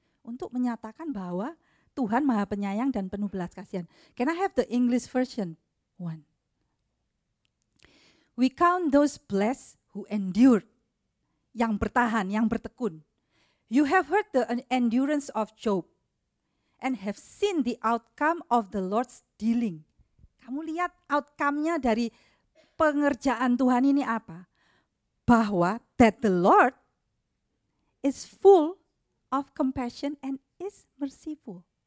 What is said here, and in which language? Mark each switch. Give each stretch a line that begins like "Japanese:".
Indonesian: Untuk menyatakan bahwa Tuhan Maha Penyayang dan penuh belas kasihan.
English: Can I have the English version? One. We count those blessed who endured.
Indonesian: Yang bertahan, yang bertekun.
English: You have heard the endurance of Job. And have seen the outcome of the Lord's dealing.
Indonesian: Kamu lihat outcome-nya dari pengerjaan Tuhan ini apa?
English: Bahwa that the Lord is full of compassion and is merciful.